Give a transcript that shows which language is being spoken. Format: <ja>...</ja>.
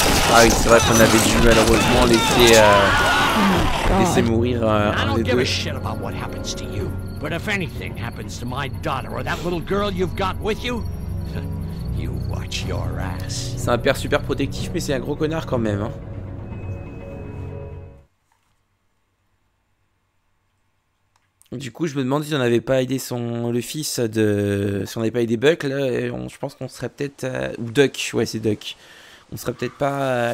<fr>Ah oui, c'est vrai qu'on avait dû malheureusement laisser mourir un des deux.</fr> <en>Shit about what happens to you, but if anything happens to my daughter or that little girl you've got with you, you watch your ass.</en> <fr>C'est un père super protectif, mais c'est un gros connard quand même. Hein. Du coup, je me demande si on n'avait pas aidé le fils de Buck là. Je pense qu'on serait peut-être ou Duck. Ouais, c'est Duck. On serait peut-être pas.</fr>